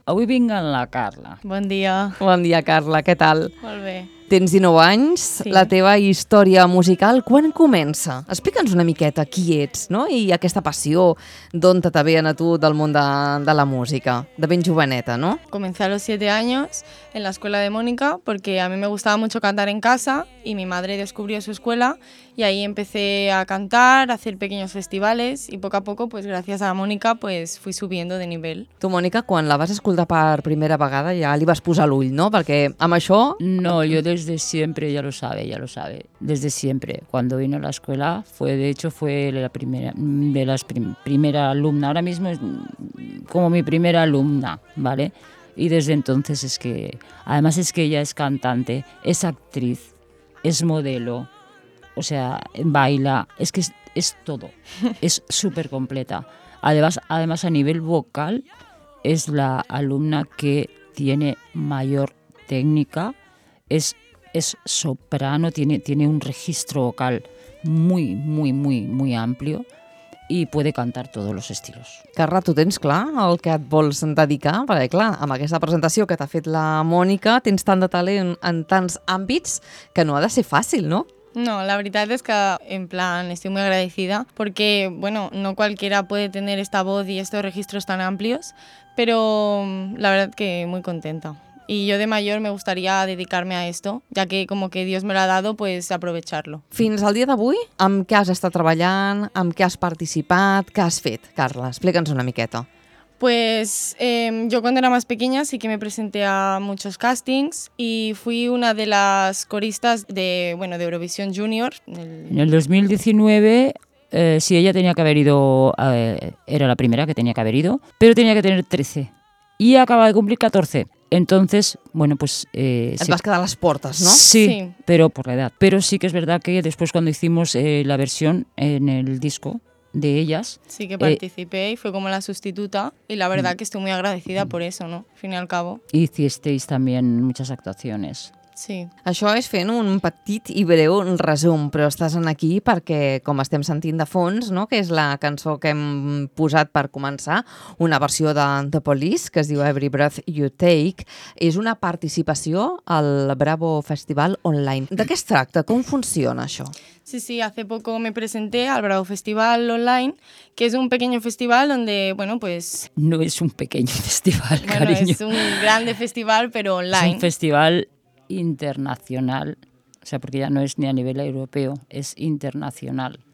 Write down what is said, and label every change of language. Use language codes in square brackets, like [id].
[ca] Avui vinc amb la Carla. Bon dia. Bon dia, Carla. Què tal? Molt bé. Tens 19 anys, sí. La teva història musical, quan comença? Explica'ns una miqueta qui ets, no? I aquesta passió, d'on te ve a tu del món de la música, de ben joveneta, no? [es] Comencé a los 7 años en la escuela de Mónica porque a mí me gustaba mucho cantar en casa y mi madre descubrió su escuela y ahí empecé a cantar, a hacer pequeños festivales y poco a poco, pues gracias a Mónica, pues fui subiendo de nivel. [ca] Tu, Mónica, quan la vas escoltar per primera vegada ja li vas posar l'ull, no? Perquè amb això... No, jo [es] desde siempre, ya lo sabe, desde siempre. Cuando vino a la escuela, fue la primera, de las primera alumna, ahora mismo es como mi primera alumna, ¿vale? Y desde entonces es que, además es que ella es cantante, es actriz, es modelo, o sea, baila, es que es todo, es súper completa. Además, a nivel vocal, es la alumna que tiene mayor técnica. Es soprano, tiene un registro vocal muy, muy, muy, muy amplio y puede cantar todos los estilos. [ca] Carla, tu tens clar el que et vols dedicar? Perquè, clar, amb aquesta presentació que t'ha fet la Mònica, tens tant de talent en tants àmbits que no ha de ser fàcil, no? [es] No, la verdad es que en plan estoy muy agradecida porque, bueno, no cualquiera puede tener esta voz y estos registros tan amplios, pero la verdad que muy contenta. Y yo de mayor me gustaría dedicarme a esto, ya que como que Dios me lo ha dado, pues aprovecharlo. [ca] Fins al dia d'avui, amb què has estat treballant, amb què has participat, què has fet, Carla? Explica'ns una miqueta. [es] Pues yo cuando era más pequeña sí que me presenté a muchos castings y fui una de las coristas de Eurovisión Junior. En el 2019, sí, ella tenía que haber ido, era la primera que tenía que haber ido, pero tenía que tener 13 y acaba de cumplir 14. Entonces, bueno, pues... [ca] Vas quedar [es] a las puertas, ¿no? Sí, pero por la edad. Pero sí que es verdad que después cuando hicimos la versión en el disco de ellas... Sí que participé y fue como la sustituta. Y la verdad que estoy muy agradecida por eso, ¿no? Al fin y al cabo. Hicisteis también muchas actuaciones. Sí. [ca] Això és fent un petit i breu resum, però estàs aquí perquè, com estem sentint de fons, no? Que és la cançó que hem posat per començar, una versió de The Police, que es diu Every Breath You Take, és una participació al Bravo Festival Online. De què es tracta? Com funciona això? [es] Sí, sí, hace poco me presenté al Bravo Festival Online, que es un pequeño festival donde, bueno, pues... No es un pequeño festival, cariño. Bueno, es un grande festival, pero online. Es un festival... internacional, o sea, porque ya no es ni a nivel europeo, es internacional.